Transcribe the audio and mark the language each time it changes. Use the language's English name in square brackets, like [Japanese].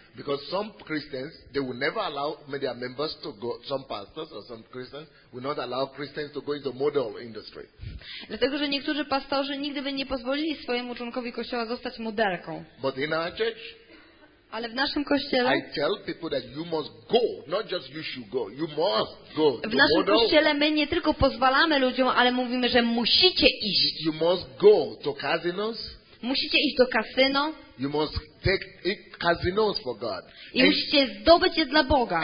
[English] Because some Christians, they will never allow their members to go, some pastors or some Christians will not allow Christians to go into model industry. [Polish] Dlatego, że niektórzy pastorzy nigdy by nie pozwolili swojemu członkowi kościoła zostać modelką. [English] But in our church, [Polish] ale w naszym kościele, [English] I tell people that you must go, not just you should go, you must go. [Polish] W naszym kościele my nie tylko pozwalamy ludziom, ale mówimy, że musicie iść. [English] You must go to casinos. [Polish] Musicie iść do kasyno. [English] You must take casinos for God. [Polish] I musicie zdobyć je dla Boga.